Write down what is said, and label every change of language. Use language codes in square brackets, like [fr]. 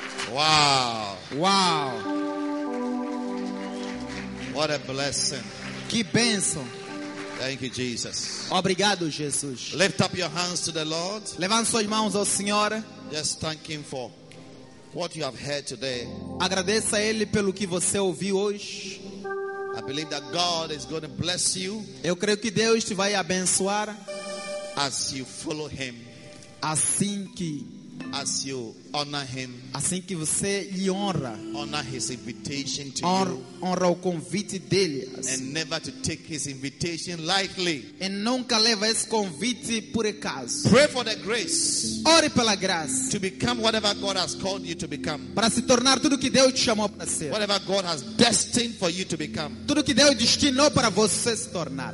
[en] Wow. Wow. What a blessing. [pt] Que bênção. [en] Thank you, Jesus. [pt] Obrigado, Jesus. [en] Lift up your hands to the Lord. [pt] Levante suas mãos ao Senhor. [en] Just thank him for what you have heard today. [pt] Agradeça a ele pelo que você ouviu hoje. [en] I believe that God is going to bless you. [pt] Eu creio que Deus te vai abençoar. [en] As you follow him. As you honor him. [pt] Assim que você lhe honra. [en] Honor his invitation to [pt] honra, [en] you. [pt] Honra o convite dele. [en] Assim. And never to take his invitation lightly. [pt] E nunca leva esse convite por acaso. [en] Pray for the grace. [pt] Ore pela graça. [en] To become whatever God has called you to become. [pt] Para se tornar tudo que Deus te chamou para ser. [en] Whatever God has destined for you to become. [pt] Tudo que Deus destinou para você se tornar.